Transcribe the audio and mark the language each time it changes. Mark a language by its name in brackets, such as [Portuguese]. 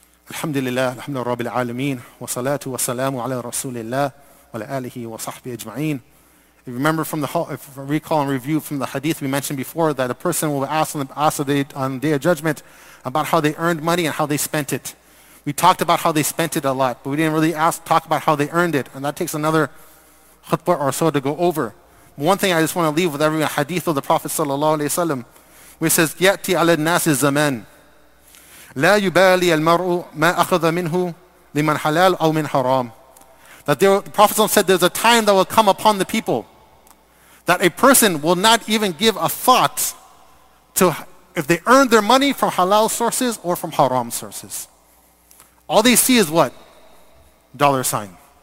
[Arabic] الحمد لله الحمد لله رب العالمين والصلاة والسلام على رسول الله وعلى آله وصحبه أجمعين. [English] If you remember from the if recall and review from the hadith we mentioned before, that a person will ask on the Day of Judgment about how they earned money and how they spent it. We talked about how they spent it a lot, but we didn't really talk about how they earned it, and that takes another khutbah or so to go over. One thing I just want to leave with everyone: hadith of the Prophet sallallahu alaihi wasallam, which says, [Arabic] "يأتي على الناس زمان." لا يبالي المرء ما أخذ منه لمن حلال أو من حرام. [English] that the Prophet said there's a time that will come upon the people that a person will not even give a thought to if they earn their money from halal sources or from haram sources. All they see is what? Dollar sign.